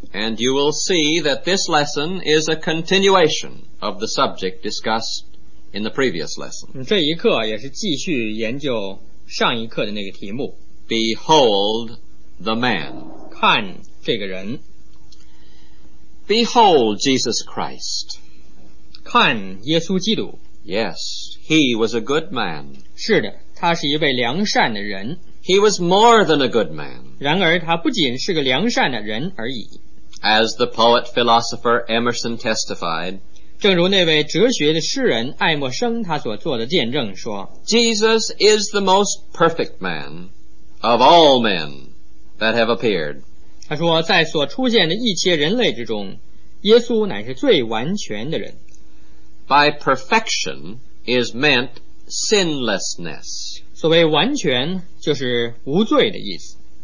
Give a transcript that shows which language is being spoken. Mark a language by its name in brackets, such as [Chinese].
[English] And you will see that this lesson is a continuation of the subject discussed in the previous lesson. [Chinese] 这一课也是继续研究上一课的那个题目。 [English] Behold the man. [Chinese] 看这个人。 [English] Behold Jesus Christ. [Chinese] 看耶稣基督。 [English] Yes, he was a good man. [Chinese] 是的，他是一位良善的人。 [English] He was more than a good man. [Chinese] 然而他不仅是个良善的人而已。 [English] As the poet philosopher Emerson testified, [Chinese] 正如那位哲学的诗人爱默生他所做的见证说， [English] Jesus is the most perfect man of all men that have appeared. [Chinese] 他说在所出现的一切人类之中，耶稣乃是最完全的人。 [English] By perfection is meant sinlessness. [Chinese] 所谓完全就是无罪的意思。